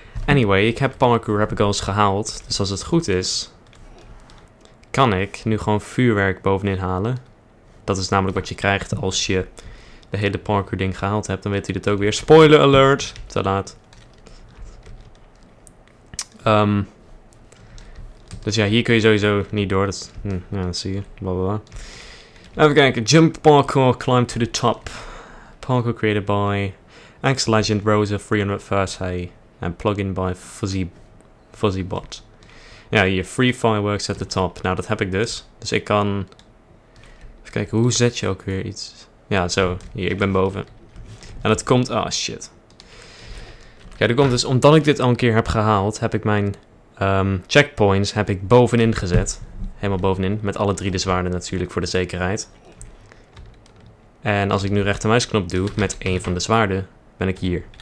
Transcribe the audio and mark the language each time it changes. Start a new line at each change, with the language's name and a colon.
Dutch: Anyway, ik heb parkour heb ik al eens gehaald. Dus als het goed is, kan ik nu gewoon vuurwerk bovenin halen. Dat is namelijk wat je krijgt als je de hele parkour ding gehaald hebt. Dan weet u dat ook weer. Spoiler alert! Te laat. Dus ja, hier kun je sowieso niet door. Dat zie je. Blablabla. Even kijken.
English: Jump parkour, climb to the top. Parkour created by X-Legend Rosa 330. Hey. And plugin by Fuzzybot.
Dutch: Ja, hier.
English: Free fireworks at the top.
Dutch: Nou, dat heb ik dus. Dus ik kan... Even kijken, hoe zet je ook weer iets? Ja, zo. Hier, ik ben boven. En het komt... Ah, oh, shit. Ja, er komt dus, omdat ik dit al een keer heb gehaald, heb ik mijn checkpoints heb ik bovenin gezet. Helemaal bovenin, met alle drie de zwaarden natuurlijk voor de zekerheid. En als ik nu rechtermuisknop doe met één van de zwaarden, ben ik hier.